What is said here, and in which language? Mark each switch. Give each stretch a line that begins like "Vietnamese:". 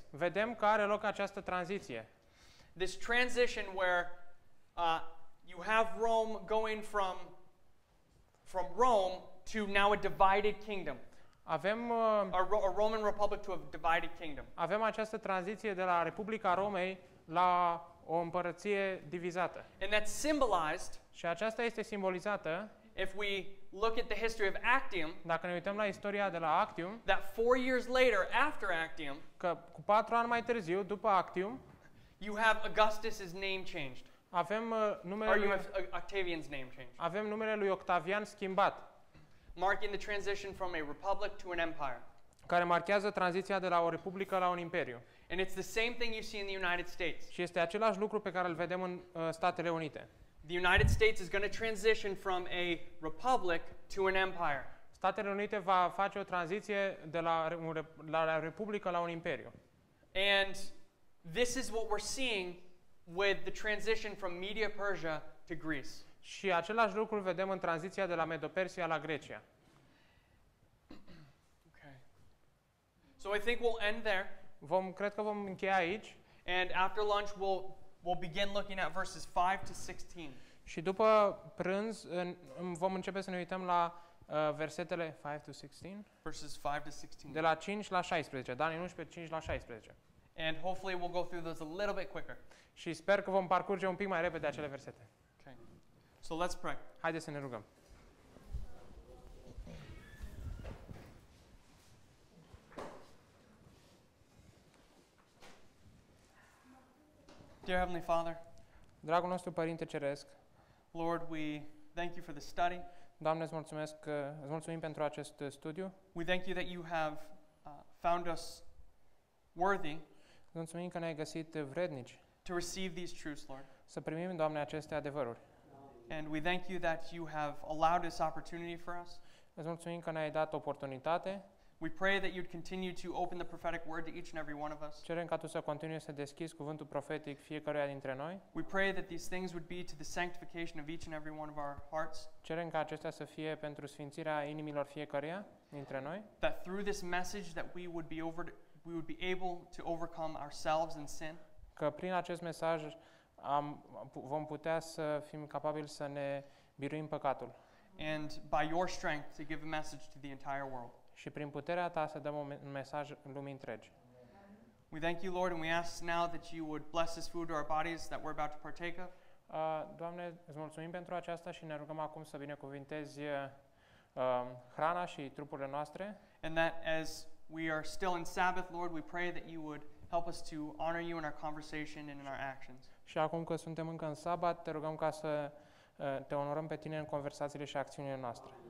Romanian: Vedem că are loc această tranziție.
English: This transition where you have Rome going from Rome to now a divided kingdom.
Romanian: Avem
English: a Roman Republic to a divided kingdom.
Romanian: Avem această tranziție de la Republica Romei la o împărăție divizată.
English: And that's symbolized.
Romanian: Și aceasta este simbolizată.
English: If we look at the history of Actium,
Romanian: dacă ne uităm la istoria de la Actium,
English: that 4 years later after Actium,
Romanian: că cu 4 ani mai târziu după Actium,
English: you have Augustus's name changed.
Romanian: Avem numele lui
English: Octavian's name changed.
Romanian: Avem numele lui Octavian schimbat.
English: Marking the transition from a republic to an empire.
Romanian: Care marchează tranziția de la o republică la un imperiu.
English: And it's the same thing you see in the United States.
Romanian: Și este același lucru pe care îl vedem în Statele Unite.
English: The United States is going to transition from a republic to an empire.
Romanian: Statele Unite va face o tranziție de la la republică la un imperiu.
English: And this is what we're seeing with the transition from Media Persia to Greece.
Romanian: Și același lucru vedem în tranziția de la Medo-Persia la Grecia.
English: Okay. So I think we'll end there.
Romanian: Cred că vom încheia aici.
English: And after lunch we'll begin looking at verses 5 to 16.
Romanian: Și după prânz vom începe să ne uităm la versetele 5
English: to
Romanian: 16.
English: Verses 5 to 16.
Romanian: De la 5 la 16. Dani 11, 5 la 16.
English: And hopefully we'll go through those a little bit quicker.
Romanian: Și sper că vom parcurge un pic mai repede acele versete.
English: Okay. So let's pray.
Romanian: Haideți să ne rugăm.
English: Dear Heavenly Father.
Romanian: Dragul nostru Părinte Ceresc.
English: Lord, we thank you for the study.
Romanian: Doamne, îți mulțumim pentru acest studiu.
English: We thank you that you have found us worthy.
Romanian: Mulțumim că ne-ai găsit vrednici.
English: To receive these truths, Lord.
Romanian: Să primim, Doamne, aceste adevăruri.
English: And we thank you that you have allowed this opportunity for us.
Romanian: Mulțumim că ne-ai dat oportunitate.
English: We pray that you'd continue to open the prophetic word to each and every one of us.
Romanian: Cerem ca tu să continui să deschizi cuvântul profetic fiecăruia dintre noi.
English: We pray that these things would be to the sanctification of each and every one of our hearts.
Romanian: Cerem ca acestea să fie pentru sfințirea inimilor fiecăruia dintre noi.
English: That through this message that we would be able to overcome ourselves and sin.
Romanian: Că prin acest mesaj vom putea să fim capabili să ne biruim păcatul.
English: And by your strength to give a message to the entire world.
Romanian: Și prin puterea ta să dăm un mesaj în lumii întregi.
English: We thank you, Lord, and we ask now that you would bless this food to our bodies that we're about to partake of.
Romanian: Doamne, îți mulțumim pentru aceasta și ne rugăm acum să binecuvintezi hrana și trupurile noastre.
English: And that as we are still in Sabbath, Lord, we pray that you would help us to honor you in our conversation and in our actions.
Romanian: Și acum că suntem încă în sabat, te rugăm ca să te onorăm pe tine în conversațiile și acțiunile noastre.